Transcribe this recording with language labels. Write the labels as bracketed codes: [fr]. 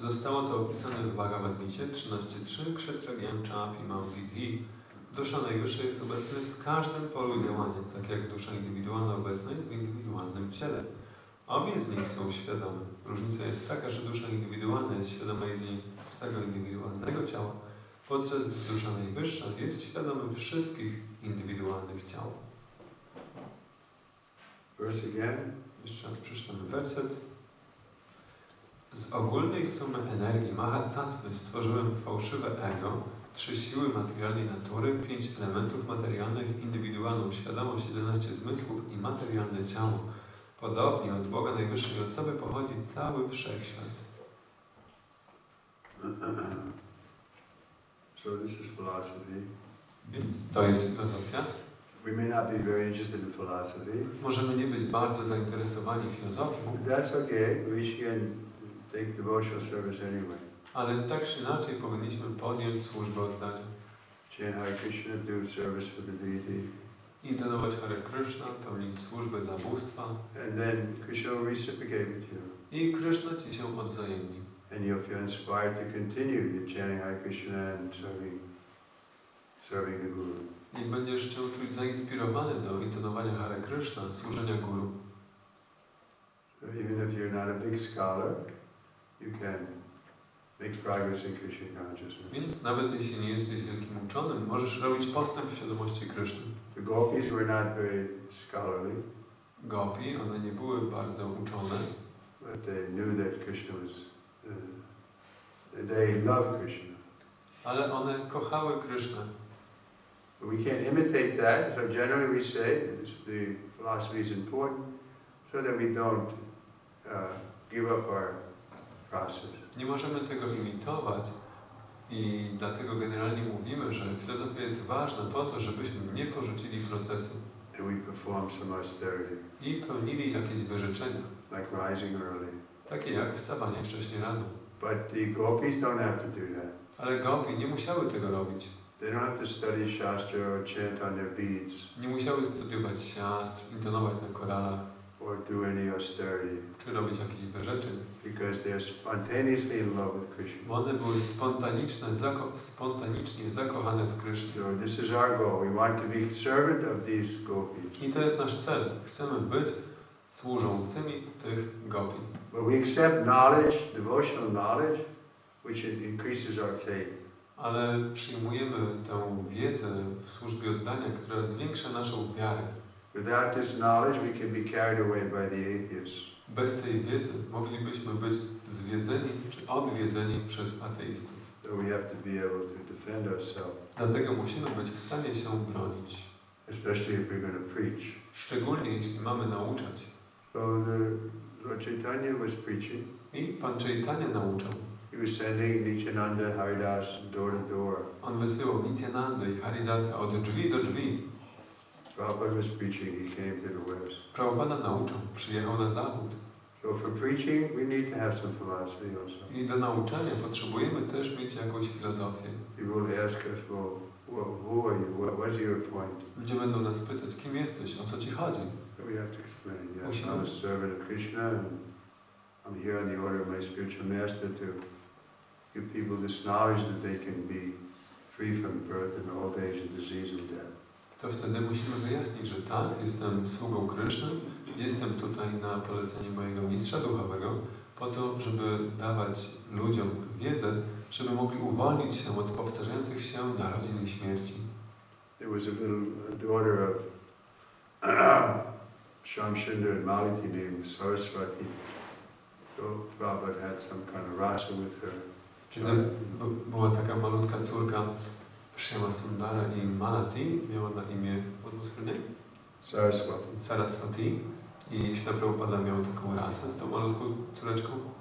[pl] Zostało to opisane w Bhagavad Gita 13.3 Kshatriyam Chapimam Vidhi. Dusza najwyższa jest obecna w każdym polu działania, tak jak dusza indywidualna obecna jest w indywidualnym ciele. Obie z nich są świadome. Różnica jest taka, że dusza indywidualna jest świadoma jedynie swego indywidualnego ciała, podczas gdy dusza najwyższa jest świadoma wszystkich indywidualnych ciał. [en] Verse again. [pl] Jeszcze raz przeczytamy werset. Z ogólnej sumy energii Mahatattwy stworzyłem fałszywe ego, trzy siły materialnej natury, pięć elementów materialnych, indywidualną świadomość, 11 zmysłów i materialne ciało. Podobnie od Boga Najwyższej Osoby pochodzi cały Wszechświat. [en] So this is philosophy. [pl] Więc to jest filozofia. [en] We may not be very interested in philosophy. [pl] Możemy nie być bardzo zainteresowani filozofią. [en] But that's okay. We can take devotional service anyway. [pl] Ale tak czy inaczej powinniśmy podjąć służbę oddania. [en] Chant Hare Krishna, do service for the deity. [pl] Intonować Hare Krishna, pełnić służbę dla bóstwa. [en] And then Krishna will reciprocate with you. [pl] I Krishna ci się odwzajemni. [en] And you'll feel inspired to continue your chanting Hare Krishna and serving the Guru. [pl] I będziesz się czuć zainspirowany do intonowania Hare Krishna, służenia Guru. [en] So even if you're not a big scholar, you can make progress in Krishna consciousness. [pl] Więc nawet jeśli nie jesteś wielkim uczonym, możesz robić postęp w świadomości Krishna. [en] The gopis were not very scholarly. [pl] Gopi, one nie były bardzo uczone. [en] But they knew that Krishna was. They loved Krishna. [pl] Ale one kochały Krishna. [en] But we can't imitate that. So generally we say the philosophy is important, so that we don't give up our process. [pl] Nie możemy tego imitować i dlatego generalnie mówimy, że filozofia jest ważna po to, żebyśmy nie porzucili procesu. [en] and we perform some austerity. [pl] I pełnili jakieś wyrzeczenia. [en] Like rising early. [pl] Takie jak wstawanie wcześniej rano. [en] But the gopis don't have to do that. [pl] Ale gopi nie musiały tego robić. [en] They don't have to study shastra or chant on their beads. [pl] Nie musiały studiować siastr, intonować na koralach. [en] Or do any austerity. [pl] Czy robić jakieś wyrzeczeń. [en] Because they are spontaneously in love with Krishna. [pl] One były spontanicznie zakochane w Krishna. [en] So this is our goal. We want to be servant of these gopis. [pl] I to jest nasz cel. Chcemy być służącymi tych gopi. [en] But we accept knowledge, devotional knowledge, which increases our faith. [pl] Ale przyjmujemy tę wiedzę w służbie oddania, która zwiększa naszą wiarę. [en] Without this knowledge, we can be carried away by the atheists. [pl] Bez tej wiedzy moglibyśmy być zwiedzeni czy odwiedzeni przez ateistów. [en] So we have to be able to defend ourselves. [pl] Dlatego musimy być w stanie się bronić. [en] Especially if we're going to preach. [pl] Szczególnie jeśli mamy nauczać. [en] So Lord Chaitanya was preaching. [pl] I pan Chaitanya nauczał. [en] He was sending Nityananda Haridas door to door. [pl] On wysyłał Nityananda i Haridasa od drzwi do drzwi. [en] Prabhupada was preaching, he came to the west. [pl] Prabhupada nauczał, przyjechał na zachód. [en] So for preaching, we need to have some philosophy also. [pl] I do nauczania potrzebujemy też mieć jakąś filozofię. [en] People ask us, well, who are you? What's your point? [pl] Ludzie będą nas pytać, kim jesteś, o co ci chodzi? [en] We have to explain, yes, I'm a servant of Krishna, and I'm here on the order of my spiritual master to give people this knowledge that they can be free from birth and old age and disease and death. [pl] To wtedy musimy wyjaśnić, że tak, jestem sługą Kryszny, jestem tutaj na polecenie mojego mistrza duchowego po to, żeby dawać ludziom wiedzę, żeby mogli uwolnić się od powtarzających się narodzin i śmierci. [en] There was a little daughter of Shamshinder and Maliti named Saraswati. So Prabhupada had some kind of rasa with her. [pl] Kiedy była taka malutka córka Shyama Sundara i Malati, miała na imię, [en] what was her name? [pl] Saraswati. Saraswati. I Śla Prabhupada miał taką rasę z tą malutką córeczką.